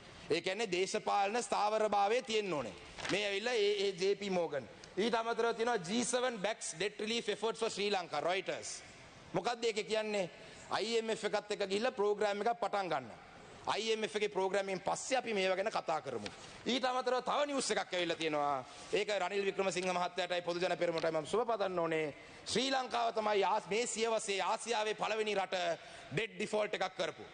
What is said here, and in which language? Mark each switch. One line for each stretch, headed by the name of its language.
Sinhala: ඒ කියන්නේ දේශපාලන ස්ථාවරභාවය තියෙන්න ඕනේ. මේ ඇවිල්ලා ඒ JP Morgan. ඊට අමතරව තියෙනවා
English: G7 backs debt relief efforts for Sri Lanka, Reuters.
Sinhala: මොකද්ද ඒක කියන්නේ? IMF එකත් එක්ක ගිහිල්ලා ප්‍රෝග්‍රෑම් එකක් පටන් ගන්න. IMF එකේ ප්‍රෝග්‍රෑම් එකෙන් පස්සේ අපි මේව ගැන කතා කරමු. ඊට අමතරව තව නිවුස් එකක් ඇවිල්ලා තියෙනවා. ඒක රනිල් වික්‍රමසිංහ මහත්තයාටයි පොදු ජන පෙරමුණටයි මම සුබපතන්න ඕනේ. ශ්‍රී ලංකාව තමයි මේ සියවසේ ආසියාවේ පළවෙනි රට ඩෙඩ් ඩිෆෝල්ට් එකක් කරපු.